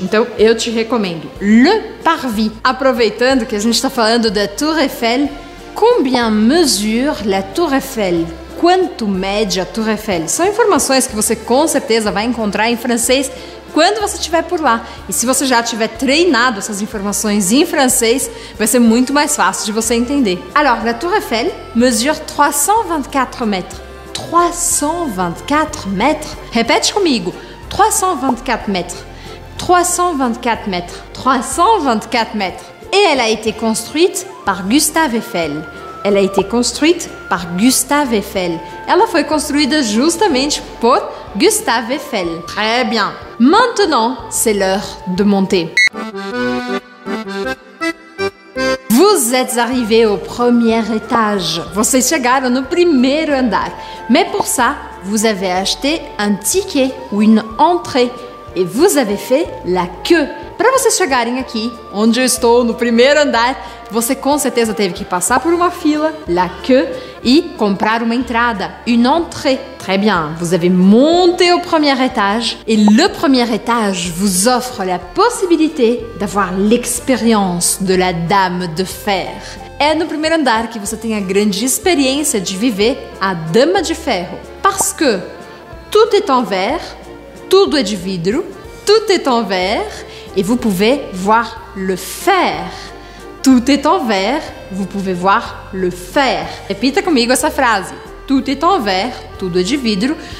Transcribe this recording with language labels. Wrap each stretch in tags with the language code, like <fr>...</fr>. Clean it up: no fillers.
<pt>Então eu te recomendo Le Parvis. Aproveitando que a gente está falando da Tour Eiffel,</pt> <fr>combien mesure la Tour Eiffel?</fr> <pt>Quanto mede a Tour Eiffel? São informações que você com certeza vai encontrar em francês quando você estiver por lá. E se você já tiver treinado essas informações em francês, vai ser muito mais fácil de você entender.</pt> <fr>Alors, la Tour Eiffel mesure 324 mètres. 324 mètres.</fr> <pt>Repete comigo.</pt> <fr>324 mètres. 324 mètres. 324 mètres. Et elle a été construite par Gustave Eiffel. Elle a été construite par Gustave Eiffel.</fr> <pt>Ela foi construída justamente por Gustave Eiffel.</pt> <fr>Très bien. Maintenant, c'est l'heure de monter. Vous êtes arrivés au premier étage.</fr> <pt>Vocês chegaram no primeiro andar.</pt> <fr>Mais pour ça, vous avez acheté un ticket ou une entrée. Et vous avez fait la queue.</fr> <pt>Para vocês chegarem aqui, onde eu estou, no primeiro andar, você com certeza teve que passar por uma fila, la queue, e comprar uma entrada, une entrée.</pt> <fr>Très bien, vous avez monté au premier étage. Et le premier étage vous offre la possibilité d'avoir l'expérience de la Dame de Fer.</fr> <pt>É no primeiro andar que você tem a grande experiência de viver a Dama de Ferro.</pt> <fr>Parce que tout est en verre,</fr> <pt>tudo é de vidro,</pt> <fr>tout est en verre, et vous pouvez voir le fer. Tout est en verre, vous pouvez voir le fer.</fr> <pt>Repita comigo essa frase.</pt> <fr>Tout est en verre,</fr> <pt>tudo é de vidro.</pt>